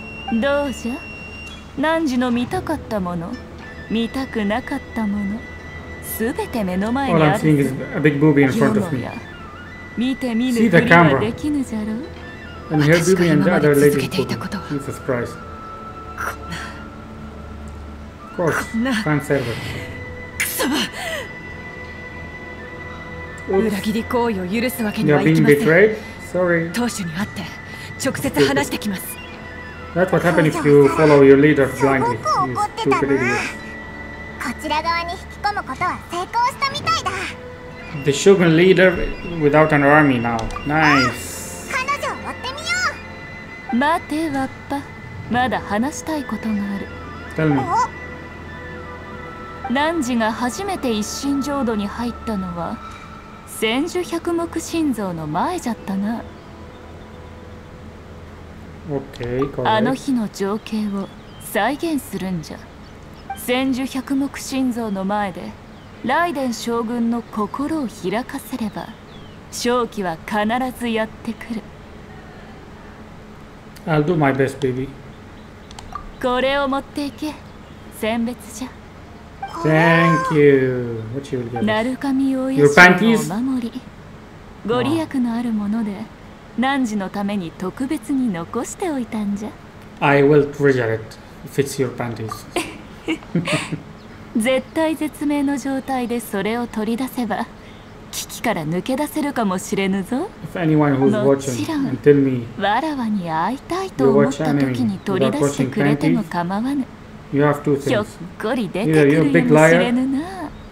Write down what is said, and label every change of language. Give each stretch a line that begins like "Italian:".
Japanese: どうじゃ、何時の見たかったもの、見たくなかったもの、すべて目の前にある。
English: All I'm seeing is a big boobie in front of me.
Japanese: 見て見ぬふりはできぬじゃろう。
English: And here's boobie and the other lady's boobie. Jesus Christ. course, fan service.
Japanese: 裏切り行為を許すわけにはいきません。
English: Sorry.
Japanese: 当主に会って直接話してきます。
English: That's what happens if you follow your leader blindly.
Japanese: すごく怒ってたな。こちら側に引き込むことは成功したみたいだ。
English: The Shogun leader without an army now. Nice.
Japanese: 彼女を追ってみよう。待てわっぱ。まだ話したいことがある。
English: Tell me.
Japanese: 汝が初めて一身浄土に入ったのは。千住百目心臓の前じゃったな。
English: Okay,
Japanese: あの日の情景を再現するんじゃ。千住百目心臓の前で雷電将軍の心を開かせれば、勝機は必ずやってくる。
English: I'll do my best, baby.
Japanese: これを持っていけ、選別じゃ。
English: Thank you. What you will get?
Japanese: ナルカミオヤシのお守り。ご利益のあるもので、何時のために特別に残しておいたんじゃ。
English: I will treasure it if it's your panties.
Japanese: 絶対絶命の状態でそれを取り出せば、危機から抜け出せるかもしれぬぞ。
English: If anyone who's watching, tell me.
Japanese: わらわに会いたいと思った時に取り出してくれても構わぬ。
English: You have two things.
Japanese: ひょっこり出てくるやもしれぬな。